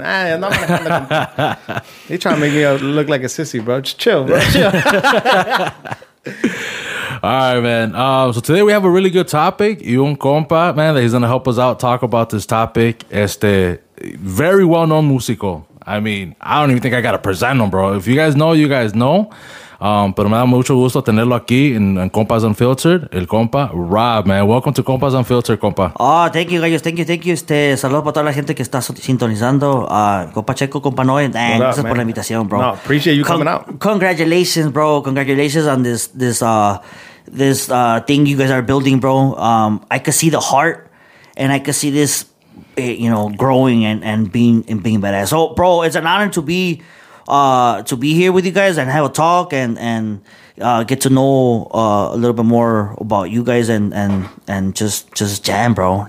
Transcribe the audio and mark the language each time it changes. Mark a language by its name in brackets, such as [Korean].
[English] I'm not gonna come. They trying to make me look like a sissy, bro. Just chill, bro. Chill. All right, man. So today we have a really good topic. [Spanish] Y un compa, [English] man, that he's going to help us out talk about this topic. [Spanish] Este [English] very well-known músico. I mean, I don't even think I got to present him, bro. If you guys know, you guys know. [Spanish] Pero me da mucho gusto tenerlo aquí en Compas Unfiltered, el compa Rob, man. [English] Welcome to Compas Unfiltered, compa. Oh, thank you, guys. Thank you. [Spanish] Saludos para toda la gente que está sintonizando. Compa Checo, compa Noe. Gracias, man, por la invitación, bro. [English] No, appreciate you coming out. Congratulations, bro. Congratulations on this thing you guys are building, bro. I could see the heart, and I could see this, you know, growing and being badass. So, bro, it's an honor to be here with you guys and have a talk and get to know a little bit more about you guys and just jam, bro.